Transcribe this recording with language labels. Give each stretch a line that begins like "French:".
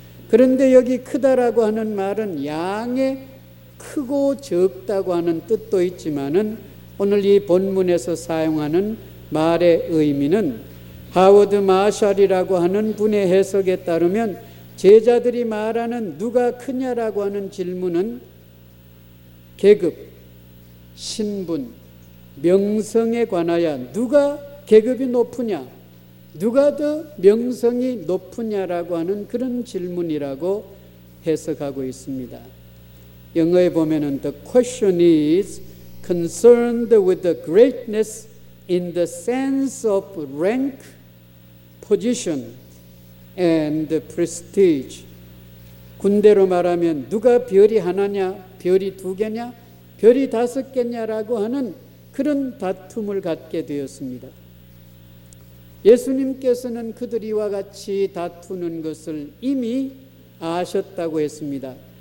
Korean: 그런데 여기 크다라고 하는 말은 양의 크고 적다고 하는 뜻도 있지만은 오늘 이 본문에서 사용하는 말의 의미는 하워드 마샬이라고 하는 분의 해석에 따르면 제자들이 말하는 누가 크냐라고 하는 질문은 계급, 신분, 명성에 관하여 누가 계급이 높으냐, 누가 더 명성이 높으냐라고 하는 그런 질문이라고 해석하고 있습니다. 영어에 보면은
English: The question is concerned with the greatness in the sense of rank, position, and prestige.
Korean: 군대로 말하면 누가 별이 하나냐, 별이 두 개냐, 별이 다섯 개냐라고 하는 그런 다툼을 갖게 되었습니다. 예수님께서는 그들이와 같이 다투는 것을 이미 아셨다고 했습니다.